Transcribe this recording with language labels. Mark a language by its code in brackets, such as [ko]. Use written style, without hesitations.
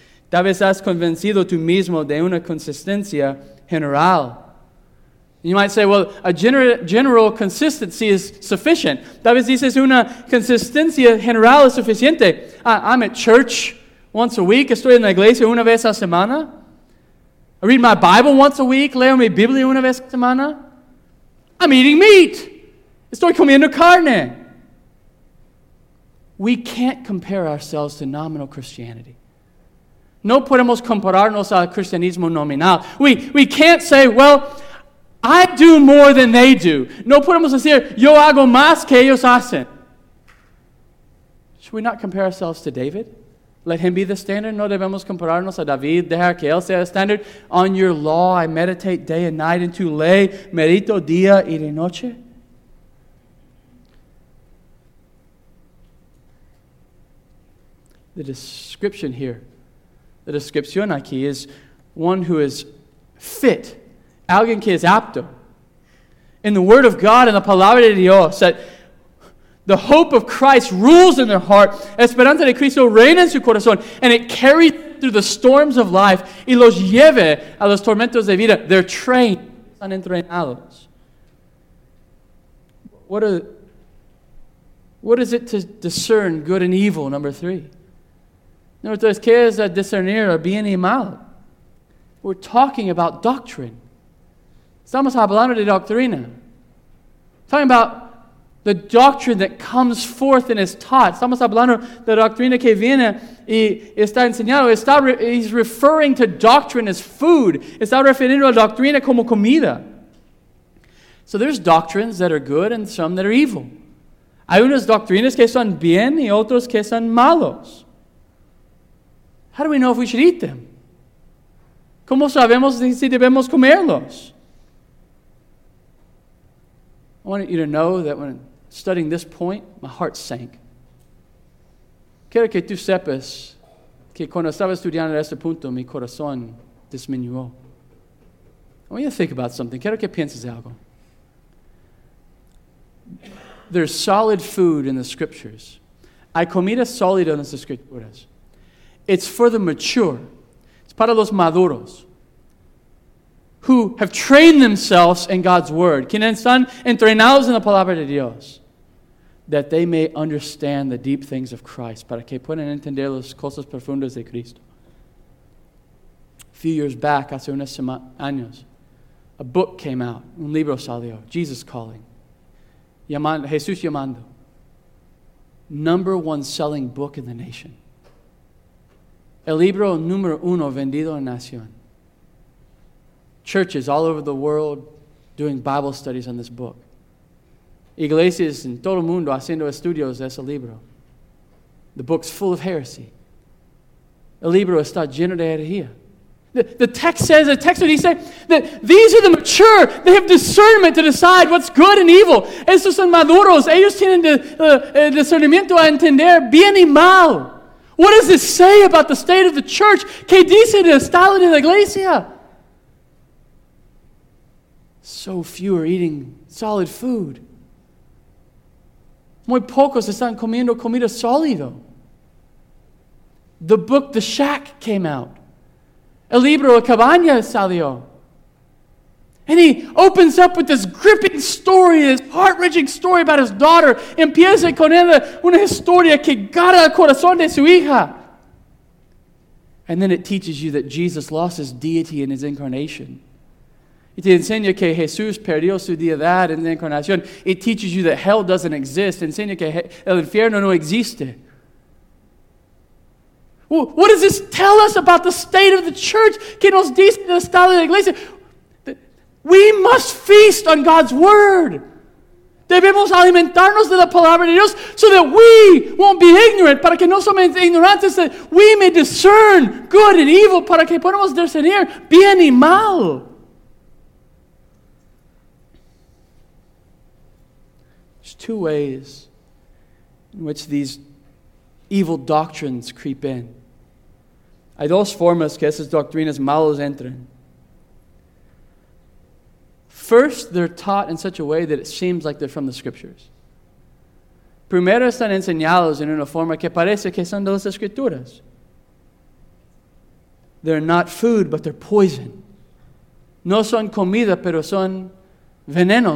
[es] Tal vez has convencido tú mismo de una consistencia general. [en] You might say, well, a general consistency is sufficient. [es] Tal vez dices una consistencia general es suficiente. [en] I'm at church once a week. [es] Estoy en la iglesia una vez a semana. [en] I read my Bible once a week. [es] Leo mi Biblia una vez a semana. [en] I'm eating meat. [es] Estoy comiendo carne. [en] We can't compare ourselves to nominal Christianity. [es] No podemos compararnos al cristianismo nominal. [en] We can't say, well, I do more than they do. No podemos decir, yo hago más que ellos hacen. Should we not compare ourselves to David? Let him be the standard. [es] No debemos compararnos a David. Dejar que él sea el standard. [en] On your law I meditate day and night. [es] En tu ley medito día y de noche. [en] The description here, the [es] descripción aquí [en] is one who is fit. [es] Alguien que es apto. [en] In the word of God, in the [es] palabra de Dios, [en] that the hope of Christ rules in their heart. [es] Esperanza de Cristo reina en su corazón. [en] And it carries through the storms of life. [es] Y los lleve a los tormentos de vida. [en] They're trained. [es] Están entrenados. [en] What is it to discern good and evil, number three? Number three, [es] ¿qué es discernir bien y mal? [en] We're talking about doctrine. [es] Estamos hablando de doctrina. [en] Talking about the doctrine that comes forth and is taught. [es] Estamos hablando de doctrina que viene y está enseñado. [en] He's referring to doctrine as food. [es] Está refiriendo a doctrina como comida. [en] So there's doctrines that are good and some that are evil. [es] Hay unas doctrinas que son bien y otros que son malos. [en] How do we know if we should eat them? [es] ¿Cómo sabemos si debemos comerlos? [en] I want you to know that when studying this point, my heart sank. [es] Quiero que tú sepas que cuando estaba estudiando este punto, mi corazón disminuyó. [en] I want you to think about something. [es] Quiero que pienses algo. [en] There's solid food in the scriptures. [es] Hay comida sólida en las escrituras. [en] It's for the mature. It's [es] para los maduros. [en] Who have trained themselves in God's word. [es] Quienes están entrenados en la palabra de Dios. [en] That they may understand the deep things of Christ. [es] Para que puedan entender las cosas profundas de Cristo. [en] A few years back, [es] hace unos años, [en] a book came out. [es] Un libro salió. [en] Jesus Calling. [es] Jesús Llamando. [en] Number one selling book in the nation. [es] El libro número uno vendido en nación. [en] Churches all over the world doing Bible studies on this book. [es] Iglesias en todo el mundo haciendo estudios de ese libro. [en] The book's full of heresy. [es] El libro está lleno de herejía. [en] The text says, that these are the mature. They have discernment to decide what's good and evil. [es] Estos son maduros. Ellos tienen discernimiento a entender bien y mal. [en] What does this say about the state of the church? [es] ¿Qué dice el estado de la iglesia? [en] So few are eating solid food. [es] Muy pocos están comiendo comida sólida. [en] The book, The Shack, came out. [es] El libro, La Cabaña, salió. [en] And he opens up with this gripping story, this heart-wrenching story about his daughter. [es] Empieza con ella una historia que gana el corazón de su hija. [en] And then it teaches you that Jesus lost his deity in his incarnation. [es] It enseña que Jesús perdió su deidad en la encarnación. [en] It teaches you that hell doesn't exist. [es] Enseña que el infierno no existe. [en] What does this tell us about the state of the church? [es] ¿Qué nos dice el estado de la iglesia? [en] We must feast on God's word. [es] Debemos alimentarnos de la palabra de Dios [en] so that we won't be ignorant. [es] Para que no somos ignorantes, [en] that we may discern good and evil. [es] Para que podamos discernir bien y mal. [en] Two ways in which these evil doctrines creep in. [es] Hay dos formas que esas doctrinas malas entran. [en] First, they're taught in such a way that it seems like they're from the scriptures. [es] Primero, están enseñados en una forma que parece que son de las escrituras. [en] They're not food, but they're poison. [es] No son comida, pero son veneno.